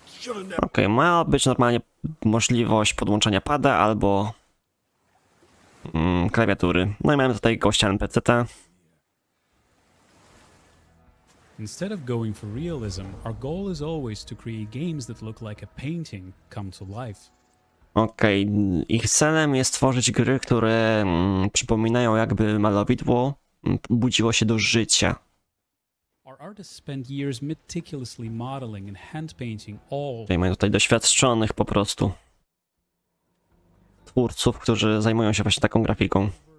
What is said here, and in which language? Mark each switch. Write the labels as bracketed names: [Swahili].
[Polish] Okej, okay, ma być normalnie możliwość podłączania pada albo klawiatury. No i mamy tutaj gościa NPC-ta. [English] Instead of going for realism, our goal is always to create games that look like a painting come to life. [Polish] Okej, okay, ich celem jest tworzyć gry, które przypominają jakby malowidło budziło się do życia. [English] Artists spend years meticulously modeling and hand painting all. [Polish] Tutaj mają tutaj doświadczonych po prostu twórców, którzy zajmują się właśnie taką grafiką.